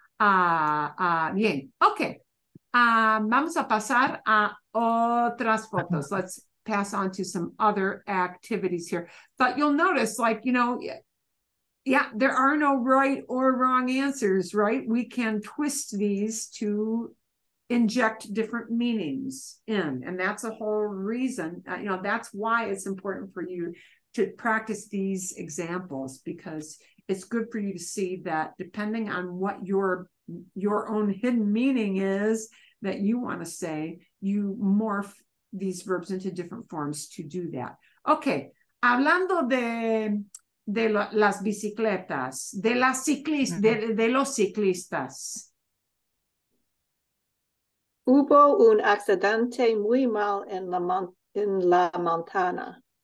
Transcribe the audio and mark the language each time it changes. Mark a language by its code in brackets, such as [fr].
[es] Bien. Okay. Vamos a pasar a otras fotos. [en] Let's pass on to some other activities here. But you'll notice, like, you know, yeah, there are no right or wrong answers, right? We can twist these to inject different meanings in. And that's a whole reason, you know, that's why it's important for you to practice these examples, because it's good for you to see that depending on what your own hidden meaning is that you want to say, you morph these verbs into different forms to do that. [es] Okay, hablando de las bicicletas, de las ciclistas, de los ciclistas. Hubo un accidente muy mal en la montaña.